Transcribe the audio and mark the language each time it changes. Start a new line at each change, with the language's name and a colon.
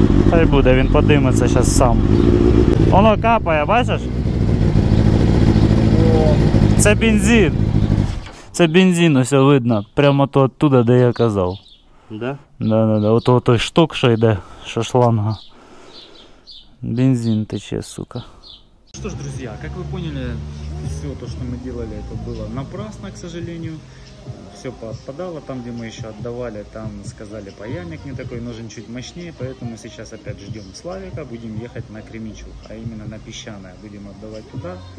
Ukrainian: Хай буде, він подиметься сейчас сам. Оно капає, бачишь? Це бензин. Це бензин, все видно. Прямо то оттуда, де я казав. Да? Да-да-да. От той шток, що йде, що шланга. Бензин тече, сука.
Russian: Что ж, друзья, как вы поняли, все то, что мы делали, это было напрасно, к сожалению. Все поотпадало, там, где мы еще отдавали, там сказали, паяльник не такой, нужен чуть мощнее, поэтому сейчас опять ждем Славика, будем ехать на Кремичу, а именно на Песчаное, будем отдавать туда.